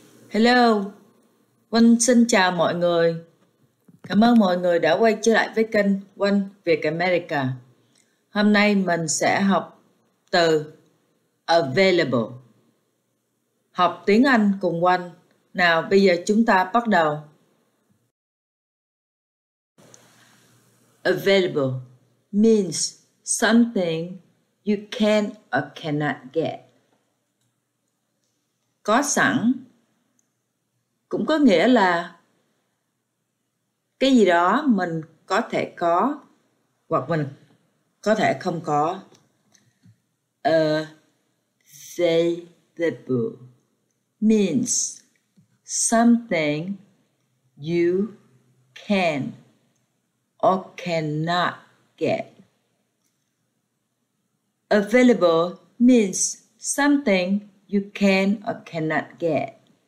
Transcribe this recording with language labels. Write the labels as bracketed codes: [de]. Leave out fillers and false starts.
[vi] Hello, Oanh xin chào mọi người. Cảm ơn mọi người đã quay trở lại với kênh Oanh Việt America. Hôm nay mình sẽ học từ Available. Học tiếng Anh cùng Oanh. Nào, bây giờ chúng ta bắt đầu. [en] Available means something you can or cannot get. [vi] Có sẵn cũng có nghĩa là cái gì đó mình có thể có hoặc mình có thể không có. [en] Available means something you can or cannot get. Available means something you can or cannot get.